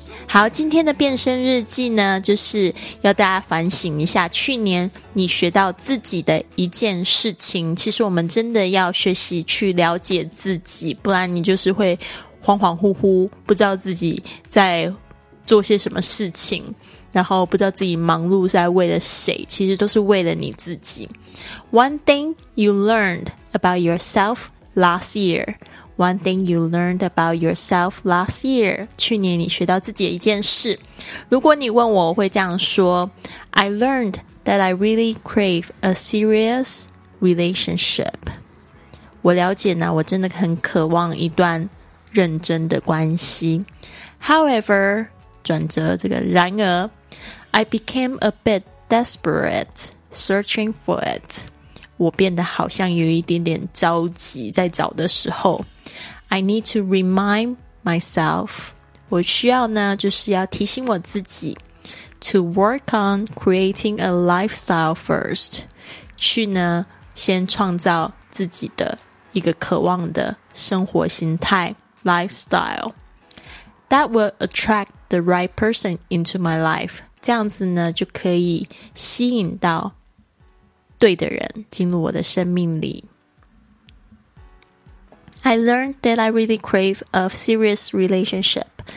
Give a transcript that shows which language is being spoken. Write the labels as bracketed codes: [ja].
[zh] 好，今天的变身日记呢，就是要大家反省一下去年你学到自己的一件事情。其实我们真的要学习去了解自己，不然你就是会恍恍惚惚，不知道自己在做些什么事情，然后不知道自己忙碌是在为了谁，其实都是为了你自己。 [en] One thing you learned about yourself last year. One thing you learned about yourself last year. [zh] 去年你学到自己的一件事。如果你问我，我会这样说， [en] I learned that I really crave a serious relationship. [zh] 我了解呢，我真的很渴望一段认真的关系。 [en] However, [zh] 转折这个然而， [en] I became a bit desperate searching for it. [zh] 我变得好像有一点点着急在找的时候。 [en] I need to remind myself. [zh] 我需要呢，就是要提醒我自己 [en] to work on creating a lifestyle first. [zh] 去呢，先创造自己的一个渴望的生活形态 lifestyle. [en] That will attract the right person into my life. [zh] 这样子呢就可以吸引到对的人进入我的生命里。 [en] I learned that I really crave a serious relationship.